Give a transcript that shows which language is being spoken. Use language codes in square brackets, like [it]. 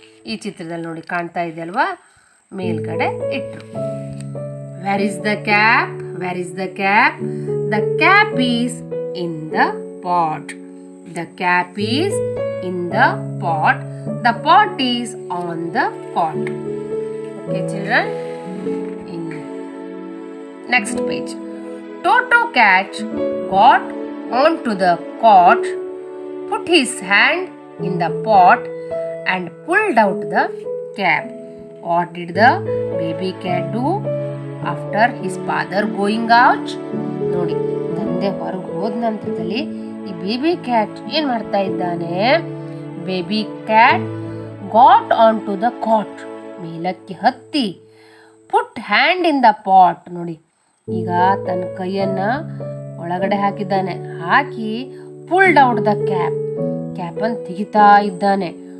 [kn] ಈ ಚಿತ್ರದಲ್ಲಿ ನೋಡಿ ಕಾಣ್ತಾ ಇದೆಯಲ್ವಾ, ಮೇಲ್ಗಡೆ ಇಟ್ರು. [en] Where is the cap, where is the cap? The cap is in the pot. The cap is in the pot. The pot is on the cot. Okay, children. In next page, Toto Cat got onto the cot, put his hand in the pot, and pulled out the cap. What did the baby cat do after his father going out? [kn] ನೋಡಿ ತಂದೆ ಹೊರಗೆ ಹೋದ ನಂತರದಲ್ಲಿ ಈ baby cat ಏನ್ ಮಾಡ್ತಾ ಇದ್ದಾನೆ? [en] baby cat got onto the cot, [kn] ಮೇಲಕ್ಕೆ ಹತ್ತಿ, [en] Put hand in the pot. [kn] ನೋಡಿ ಈಗ ತನ್ನ ಕೈಯನ್ನ ಒಳಗಡೆ ಹಾಕಿದ್ದಾನೆ, ಹಾಕಿ [en] pulled out the cap, [kn] cap ಅನ್ನು ತೆಗಿತಾ ಇದ್ದಾನೆ.